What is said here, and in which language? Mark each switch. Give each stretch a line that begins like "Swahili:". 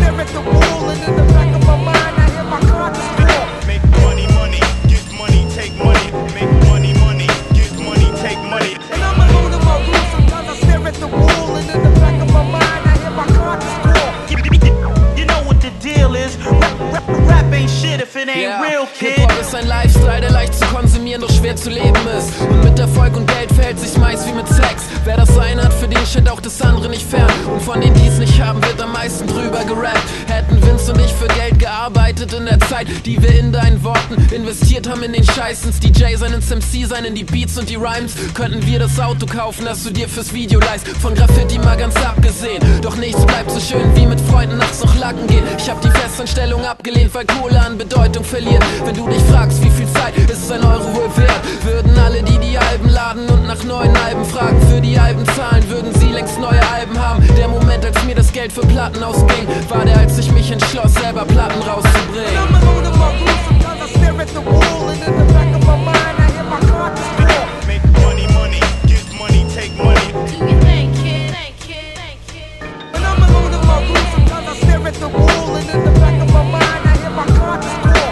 English: The wall and in the back of my mind I hear my car just pull. Make money, money, get money, take money. Make money, money, get money, take money. And I'm alone in my room, sometimes I stare at the wall and in the back of my mind I hear my car just pull. You know what the deal is, rap ain't shit if it ain't yeah. Real kid.
German: Hip-Hop ist ein Lifestyle, der leicht zu konsumieren, doch schwer zu leben ist. Und mit Erfolg und Geld verhält sich meist wie mit Sex. Wer das eine hat, für den steht auch das andere nicht fern. Und von denen, die es nicht haben, wird am meisten drüber gerappt. Hätten Vince und ich für Geld gearbeitet in der Zeit, die wir in deinen Worten investiert haben in den Scheiß. Ins DJ sein, ins MC sein, in die Beats und die Rhymes. Könnten wir das Auto kaufen, das du dir fürs Video leist. Von Graffiti mal ganz abgesehen. Doch nichts bleibt so schön, wie mit Freunden nachts noch lacken gehen. Ich hab die Festanstellung abgelehnt, weil Kohle an Bedeutung verliert. Wenn du dich fragst, wie viel Zeit ist ein Euro wohl wert, würden alle, die die Alben laden und nach neuen Alben fragen, für die Alben zahlen, würden sie längst neue Alben haben. Der Moment, als mir das Geld für Platten ausging, war der, als ich mich entschloss, selber Platten rauszubringen.
English: And I'm alone in my room, sometimes I stare at the wall and in the back of my mind, I hear my car just pull. Make money, money, get money, take money. And I'm alone in my room, sometimes I stare at the wall and in the back of my mind, I hear my car just pull.